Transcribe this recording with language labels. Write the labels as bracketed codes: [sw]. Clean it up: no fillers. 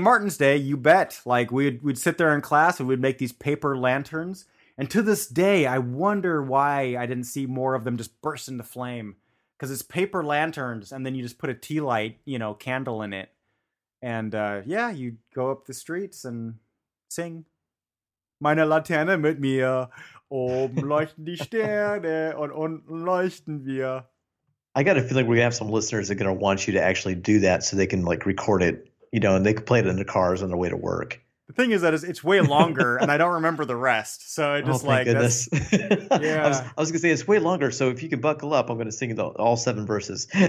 [en] Martin's Day, you bet, like we'd sit there in class and we'd make these paper lanterns. And to this day, I wonder why I didn't see more of them just burst into flame, because it's paper lanterns. And then you just put a tea light, you know, candle in it. And you go up the streets and sing. [de] Meine Laterne mit mir, oben leuchten die Sterne und unten leuchten wir. [en] I got a feeling we're going to have some listeners that are going to want you to actually do that so they can like record it, you know, and they can play it in their cars on their way to work. The thing is that it's way longer and I don't remember the rest. So I just yeah. I was going to say it's way longer. So if you can buckle up, I'm going to sing all seven verses.